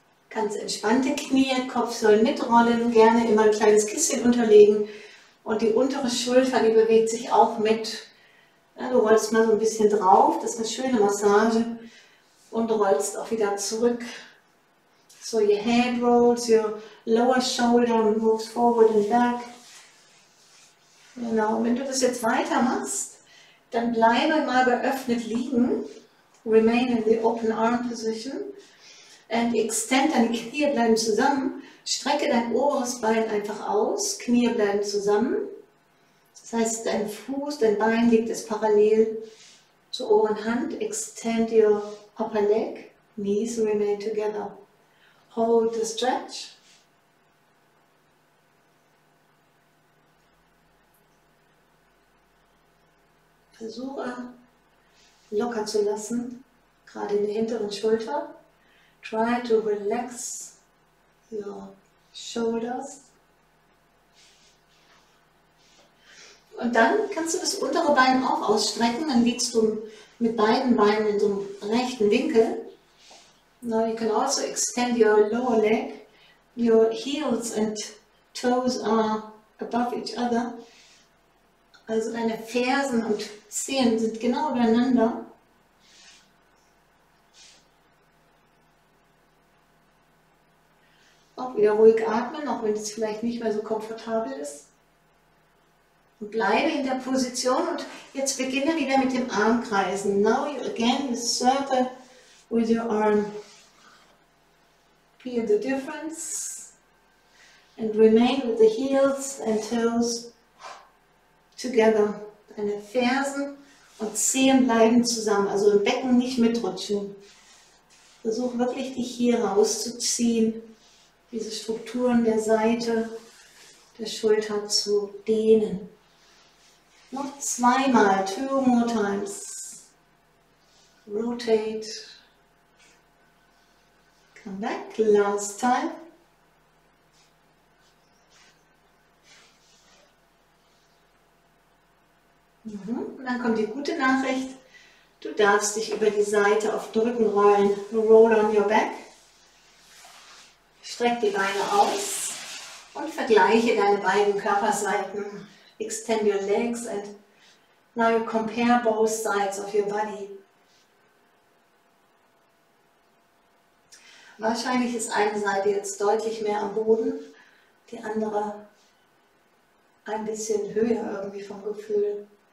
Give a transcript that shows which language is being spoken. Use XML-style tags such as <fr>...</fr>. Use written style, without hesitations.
<de>Ganz entspannte Knie, Kopf soll mitrollen, gerne immer ein kleines Kissen unterlegen und die untere Schulter, die bewegt sich auch mit. Ja, du rollst mal so ein bisschen drauf, das ist eine schöne Massage. Und rollst auch wieder zurück.</de> <en>So, your head rolls, your lower shoulder moves forward and back.</en> <de>Genau, wenn du das jetzt weitermachst, dann bleibe mal geöffnet liegen.</de> <en>Remain in the open arm position. And extend</en> <de>deine Knie, bleiben zusammen. Strecke dein oberes Bein einfach aus. Knie bleiben zusammen. Das heißt, dein Fuß, dein Bein liegt jetzt parallel zur oberen Hand.</de> <en>Extend your upper leg, knees remain together. Hold the stretch.</en> <de>Versuche locker zu lassen, gerade in der hinteren Schulter.</de> <en>Try to relax your shoulders.</en> <de>Und dann kannst du das untere Bein auch ausstrecken. Dann liegst du mit beiden Beinen in so einem rechten Winkel.</de> <en>Now you can also extend your lower leg. Your heels and toes are above each other.</en> <de>Also deine Fersen und Zehen sind genau übereinander. Auch wieder ruhig atmen, auch wenn es vielleicht nicht mehr so komfortabel ist. Und bleibe in der Position und jetzt beginne wieder mit dem Armkreisen.</de> <en>Now you again circle with your arm. Feel the difference. And remain with the heels and toes together.</en> <de>Deine Fersen und Zehen bleiben zusammen, also im Becken nicht mitrutschen. Versuch wirklich dich hier rauszuziehen, diese Strukturen der Seite, der Schulter zu dehnen. Noch zweimal,</de> <en>two more times. Rotate. Come back, last time.</en> <de>Und dann kommt die gute Nachricht, du darfst dich über die Seite auf Drücken rollen.</de> <en>Roll on your back.</en> <de>Streck die Beine aus und vergleiche deine beiden Körperseiten.</de> <en>Extend your legs and now you compare both sides of your body.</en> <de>Wahrscheinlich ist eine Seite jetzt deutlich mehr am Boden, die andere ein bisschen höher irgendwie vom Gefühl.</de>